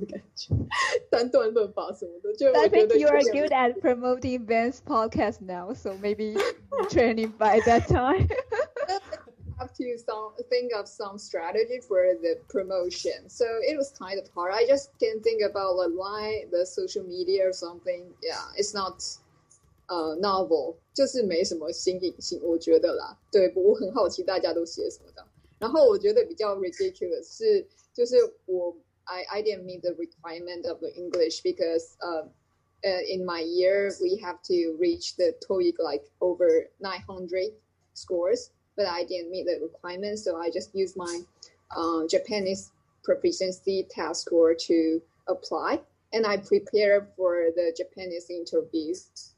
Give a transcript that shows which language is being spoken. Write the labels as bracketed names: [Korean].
[Chinese] 就是有点像变成在写法律题目的感觉，单段论法什么的。 [English] I think you are good at promoting Ben's podcast now, so maybe training by that time. Have to think of some strategy for the promotion. So it was kind of hard. I just can't think about the line, the social media or something. Yeah, it's not novel. [Chinese] 就是没什么新颖性，我觉得啦。对，我很好奇大家都写什么的。然后我觉得比较 [English] ridiculous [Chinese] 是就是我 [English] I didn't meet the requirement of the English because in my year we have to reach the TOEIC like over 900 scores, but I didn't meet the requirement, so I just used my Japanese proficiency test score to apply, and I prepared for the Japanese interviews.